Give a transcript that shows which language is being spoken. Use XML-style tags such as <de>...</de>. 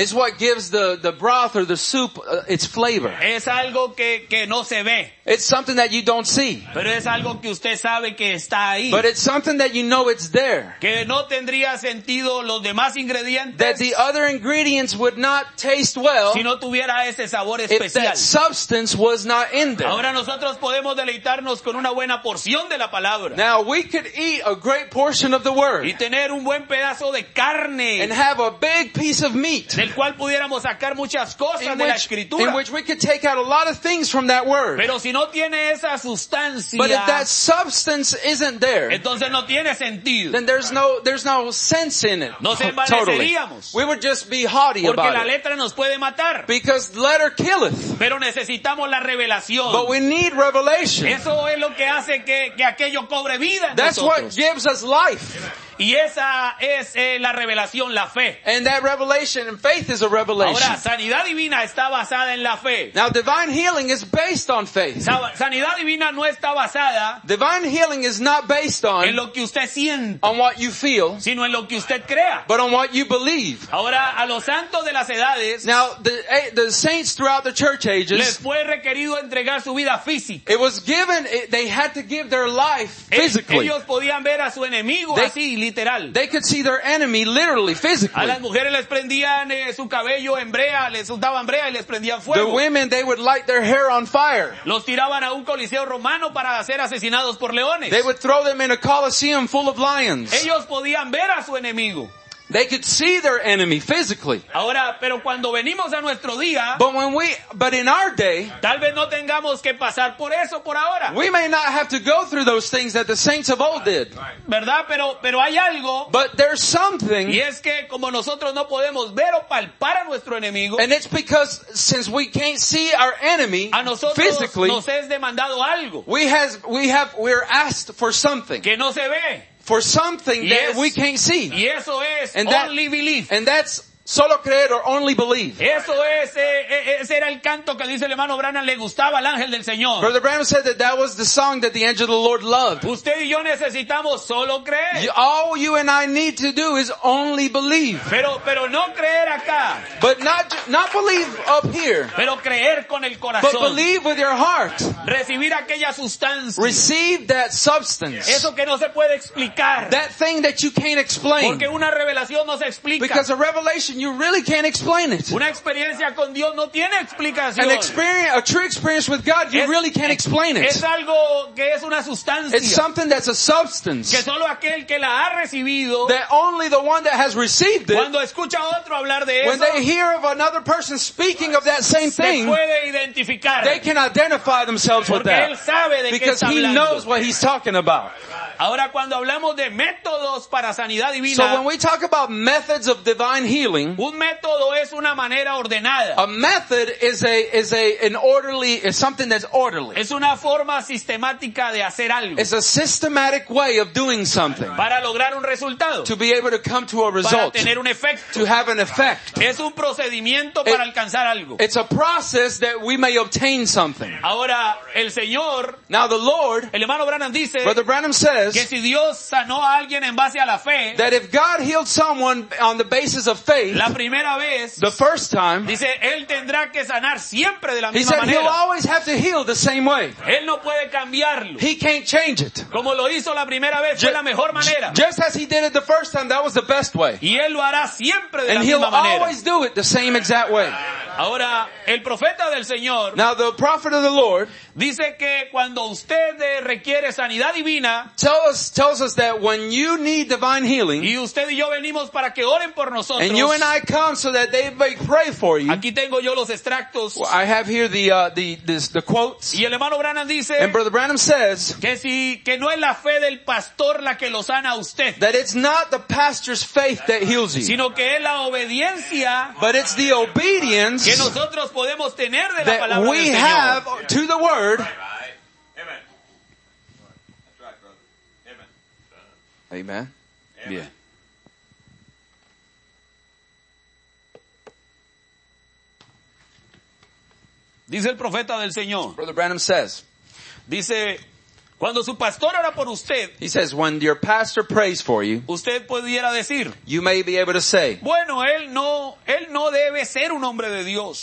<en>It's what gives the broth or the soup its flavor.</en> <es>Es algo que no se ve.</es> <en>It's something that you don't see.</en> <es>Pero es algo que usted sabe que está ahí.</es> <en>But it's something that you know it's there.</en> <es>Que no tendría sentido los demás ingredientes.</es> <en>That the other ingredients would not taste well.</en> <es>Si no tuviera ese sabor especial.</es> <en>If that substance was not in there.</en> <es>Ahora nosotros podemos deleitarnos con una buena porción de la palabra.</es> <en>Now we could eat eat a great portion of the word.</en> <es>Y tener un buen pedazo de carne.</es> <en>And have a big piece of meat.</en> <es>Del cual pudiéramos sacar muchas cosas de la escritura.</es> <en>In which we could take out a lot of things from that word.</en> <es>Pero si no tiene esa sustancia,</es> <en>but if that substance isn't there,</en> <es>entonces no tiene sentido.</es> <en>Then there's no sense in it.</en> <es>Nos embaleceríamos.</es> <en>Totally. We would just be haughty</en> <es>porque</es> <en>about</en> <es>la letra</es> <en>it.</en> <es>Nos puede matar.</es> <en>Because letter killeth.</en> <es>Pero necesitamos la revelación.</es> <en>But we need revelation.</en> <es>Eso es lo que hace que aquello cobre vida.</es> <en>That's</en> <es>nosotros.</es> <en>What gives us life.</en> <es>Y esa es la revelación, la fe.</es> <en>And that revelation and faith is a revelation.</en> <es>Ahora, sanidad divina está basada en la fe.</es> <en>Now divine healing is based on faith.</en> <es>Sanidad divina no está basada.</es> <en>Divine healing is not based on.</en> <es>En lo que usted siente.</es> <en>On what you feel.</en> <es>Sino en lo que usted crea.</es> <en>But on what you believe.</en> <es>Ahora, a los santos de las edades.</es> <en>Now the saints throughout the church ages.</en> <es>Les fue requerido entregar su vida física.</es> <en>It was given. They had to give their life physically.</en> <es>Ellos podían ver a su enemigo así. Literal.</es> <en>They could see their enemy literally, physically.</en> <es>A las mujeres les prendían su cabello en brea, les soltaban brea y les prendían fuego.</es> <en>The women, they would light their hair on fire.</en> <es>Los tiraban a un coliseo romano para ser asesinados por leones.</es> <en>They would throw them in a coliseum full of lions.</en> <es>Ellos podían ver a su enemigo.</es> <en>They could see their enemy physically.</en> <es>Ahora, pero cuando venimos a nuestro día,</es> <en>but in our day,</en> <es>tal vez no tengamos que pasar por eso por ahora.</es> <en>We may not have to go through those things that the saints of old did.</en> <es>¿Verdad? Pero hay algo.</es> <en>But there's something.</en> <es>Y es que como nosotros no podemos ver o palpar a nuestro enemigo,</es> <en>and it's because since we can't see our enemy</en> <es>a nosotros</es> <en>physically,</en> <es>nos es demandado algo.</es> <en>We're asked for something.</en> <es>Que no se ve.</es> <en>For something yes. That we can't see.</en> <es>Y eso es</es> <en>and that, only belief. And that's</en> <es>solo creer</es> <en>or only believe.</en> <es>Eso es, ese era el canto que dice el hermano Branham le gustaba al ángel del Señor.</es> <en>Brother Branham said that was the song that the angel of the Lord loved.</en> <es>Usted y yo necesitamos solo creer.</es> <en>All you and I need to do is only believe.</en> <es>Pero no creer acá.</es> <en>But not believe up here.</en> <es>Pero creer con el corazón.</es> <en>But believe with your heart.</en> <es>Recibir aquella sustancia.</es> <en>Receive that substance.</en> <es>Eso que no se puede explicar.</es> <en>That thing that you can't explain.</en> <es>Porque una revelación no se explica.</es> <en>Because a revelation you really can't explain it.</en> <es>Una experiencia con Dios no tiene explicación.</es> <en>An experience, a true experience with God, you really can't explain it.</en> <es>Es algo que es una sustancia.</es> <en>It's something that's a substance.</en> <es>Que solo aquel que la ha recibido.</es> <en>That only the one that has received it.</en> <es>Cuando escucha a otro hablar de eso.</es> <en>When they hear of another person speaking of that same thing.</en> <es>Se puede identificar.</es> <en>They can identify themselves with that.</en> <es>Porque él sabe de qué está hablando.</es> <en>Because he knows what he's talking about.</en> <es>Ahora cuando hablamos de métodos para sanidad divina.</es> <en>So when we talk about methods of divine healing.</en> <es>Un método es una manera ordenada.</es> <en>A method is something that's orderly.</en> <es>Es una forma sistemática de hacer algo.</es> <en>It's a systematic way of doing something.</en> <es>Para lograr un resultado.</es> <en>To be able to come to a result.</en> <es>Para tener un efecto.</es> <en>To have an effect.</en> <es>Es un procedimiento para alcanzar algo.</es> <en>It's a process that we may obtain something.</en> <es>Ahora el Señor.</es> <en>Now the Lord.</en> <es>El hermano Branham dice.</es> <en>Brother Branham says.</en> <es>Que si Dios sanó a alguien en base a la fe.</es> <en>That if God healed someone on the basis of faith,</en> <es>la primera vez,</es> <en>the first time,</en> <es>dice, él tendrá que sanar siempre de la misma</es> <en>he said</en> <es>manera.</es> <en>He'll always have to heal the same way.</en> <es>Él no puede cambiarlo.</es> <en>He can't change it.</en> <es>Como lo hizo la primera vez, fue la mejor manera.</es> <en>Just as he did it the first time, that was the best way.</en> <es>Y él lo hará siempre de</es> <en>and</en> <es>la misma manera.</es> <en>And he'll always do it the same exact way.</en> <es>Ahora, el profeta del Señor,</es> <en>now the prophet of the Lord,</en> <es>dice que cuando usted requiere sanidad divina,</es> <en>tells us that when you need divine healing,</en> <es>y usted y yo venimos para que oren por nosotros,</es> <en>and you and I come so that they may pray for you.</en> <es>Aquí tengo yo los extractos.</es> <en>Well, I have here the quotes.</en> <es>Y el hermano Branham dice,</es> <en>and Brother Branham says,</en> <es>que no es la fe del pastor la que lo sana a usted.</es> <en>That it's not the pastor's faith that heals you.</en> <es>Sino que es la obediencia.</es> <en>But it's the obedience</en> <es>que nosotros podemos tener de la palabra del</es> <en>Señor. That we have to the word. Amen. That's right, brother. Amen. Amen. Yeah.</en> <es>Dice el profeta del Señor.</es> <en>Brother Branham says.</en> <es>Dice, cuando su pastor ora por usted.</es> <en>He says, when your pastor prays for you.</en> <es>Usted pudiera decir.</es> <en>You may be able to say.</en> <es>Bueno, él no debe ser un hombre de Dios.</es>